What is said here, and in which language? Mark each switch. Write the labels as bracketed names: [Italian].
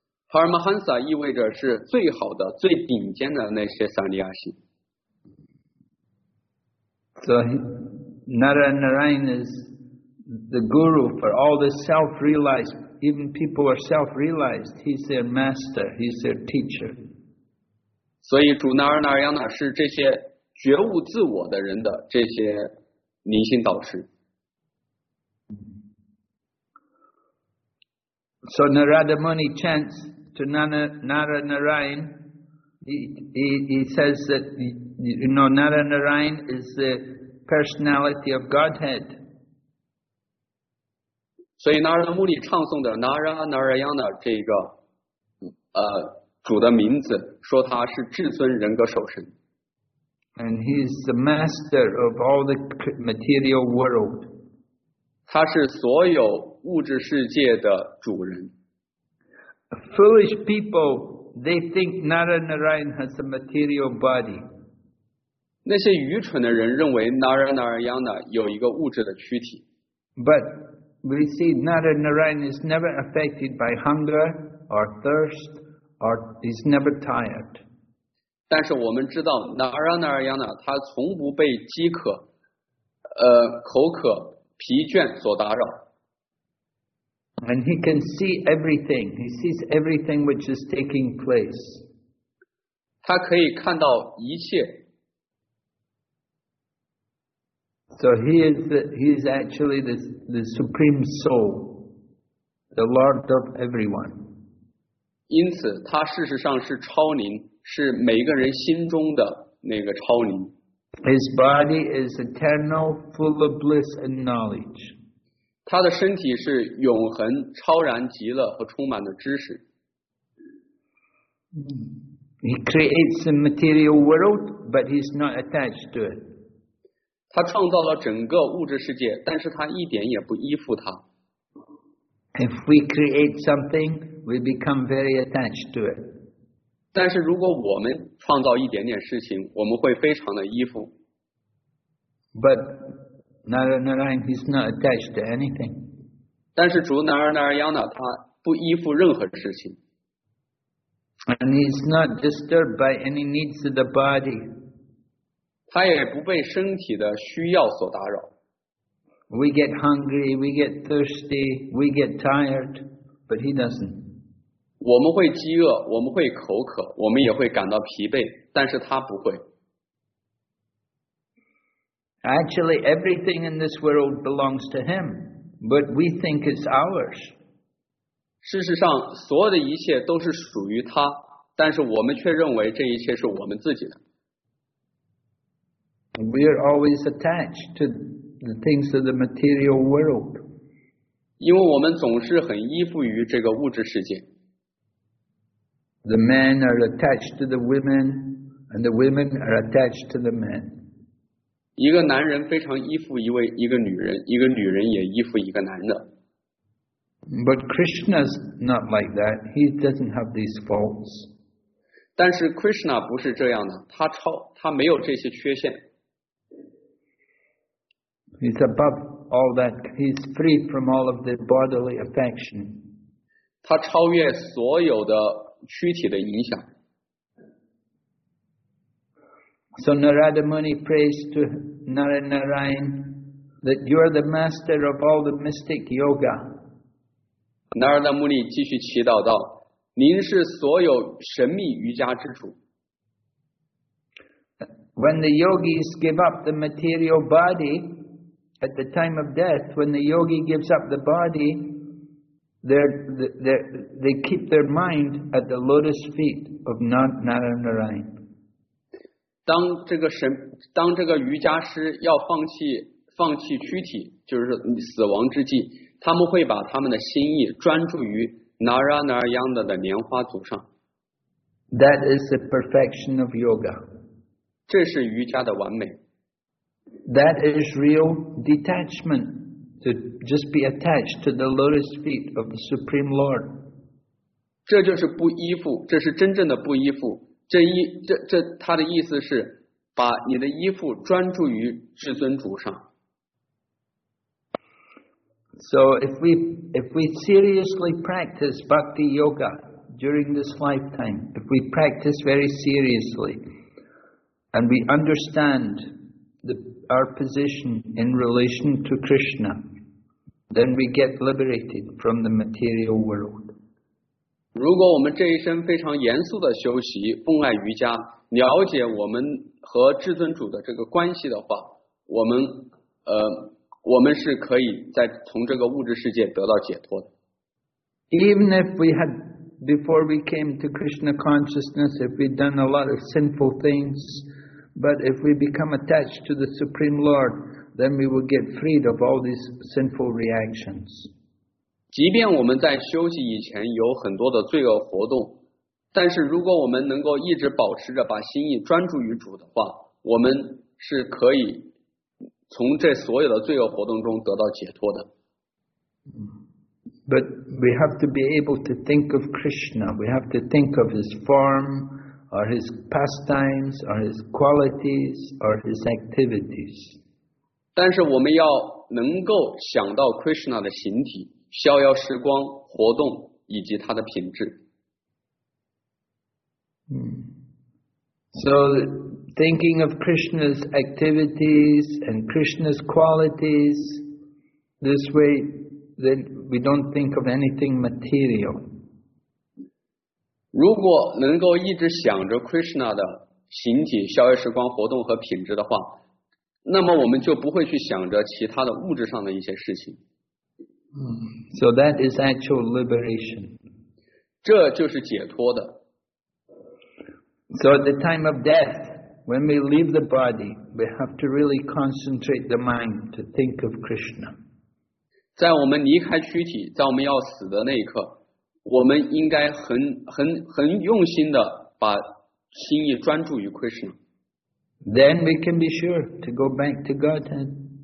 [Chinese] Paramahamsa 意味着是最好的、最顶尖的那些 sannyasis. [English] So Naranarayan is the guru for all the self-realized, even people who are self-realized. He's their master. He's their teacher. [Chinese] 所以主纳尔纳扬呢是这些觉悟自我的人的这些灵性导师。 [English] So Narada Muni chants to Nara Narayan. He says that you know Nara Narayan is the personality of Godhead. [Chinese] 所以 Narada Muni 唱诵的 Nara Narayana 这个主的名字，说他是至尊人格首身。 [English] And he is the master of all the material world. [Chinese] 他是所有物质世界的主人。 [English] Foolish people, they think Naranarayan has a material body. [Chinese] 那些愚蠢的人认为 Naranarayana 有一个物质的躯体。 [English] But we see Naranarayan is never affected by hunger or thirst or is never tired. [Chinese] 但是我们知道 Naranarayana 他从不被饥渴、口渴、疲倦所打扰。 [English] And he can see everything. He sees everything which is taking place. [Chinese] 他可以看到一切。 [English] So he is actually the supreme soul, the Lord of everyone. [Chinese] 因此，他事实上是超灵。是每一个人心中的那个超灵。 [English] His body is eternal, full of bliss and knowledge. [Chinese] 他的身体是永恒、超然极乐和充满的知识。 [English] He creates the material world, but he's not attached to it. [Chinese] 他创造了整个物质世界，但是他一点也不依附它。 [English] If we create something, we become very attached to it. [Chinese] 但是如果我们创造一点点事情，我们会非常的依附。 [English] But Naranarayan is not attached to anything. [Chinese] 但是主 Naranarayana 他不依附任何事情。 [English] And he's not disturbed by any needs of the body. [Chinese] 他也不被身体的需要所打扰。 [English] We get hungry, we get thirsty, we get tired, but he doesn't. [Chinese] 我们会饥饿，我们会口渴，我们也会感到疲惫，但是他不会。 [English] Actually, everything in this world belongs to him, but we think it's ours. [Chinese] 事实上，所有的一切都是属于他，但是我们却认为这一切是我们自己的。 [English] We are always attached to the things of the material world. [Chinese] 因为我们总是很依附于这个物质世界。 [English] The men are attached to the women, and the women are attached to the men. [Chinese] 一个男人非常依附一个女人，一个女人也依附一个男的。 [English] But Krishna's not like that. He doesn't have these faults. [Chinese] 但是 Krishna 不是这样的，他没有这些缺陷。 [English] He's above all that. He's free from all of the bodily affection. [Chinese] 他超越所有的躯体的影响。 [English] So Narada Muni prays to Naranarayan that you are the master of all the mystic yoga. [Chinese] Narada Muni 继续祈祷道：“您是所有神秘瑜伽之主。” [English] When the yogis give up the material body at the time of death, when the yogi gives up the body. They keep their mind at the lotus feet of Naranarayan. [Chinese] 当这个瑜伽师要放弃躯体，就是死亡之际，他们会把他们的心意专注于 Naranarayana 的莲花足上。 [English] That is the perfection of yoga. [Chinese] 这是瑜伽的完美。 [English] That is real detachment. To just be attached to the lotus feet of the Supreme Lord. [Chinese] 这就是不依附，这是真正的不依附。他的意思是把你的依附专注于至尊主上。 [English] So if we seriously practice bhakti yoga during this lifetime, if we practice very seriously and we understand our position in relation to Krishna, then we get liberated from the material world. [Chinese] 如果我们这一生非常严肃的修习奉爱瑜伽，了解我们和至尊主的这个关系的话，我们是可以在从这个物质世界得到解脱的。 [English] Even if we had, before we came to Krishna consciousness, if we'd done a lot of sinful things, but if we become attached to the Supreme Lord, then we will get freed of all these sinful reactions. [Chinese] 即便我们在休息以前有很多的罪恶活动，但是如果我们能够一直保持着把心意专注于主的话，我们是可以从这所有的罪恶活动中得到解脱的。 [English] But we have to be able to think of Krishna. We have to think of his form, or his pastimes, or his qualities, or his activities. [Chinese] 但是我们要能够想到 Krishna 的形体、逍遥时光、活动以及他的品质。 [English] So thinking of Krishna's activities and Krishna's qualities, this way, then we don't think of anything material. [Chinese] 如果能够一直想着 Krishna 的形体、逍遥时光、活动和品质的话，那么我们就不会去想着其他的物质上的一些事情。 [English] So that is actual liberation. [Chinese] 这就是解脱的。 [English] So at the time of death, when we leave the body, we have to really concentrate the mind to think of Krishna. [Chinese] 在我们离开躯体，在我们要死的那一刻，我们应该很用心的把心意专注于 Krishna. [English] Then we can be sure to go back to Godhead.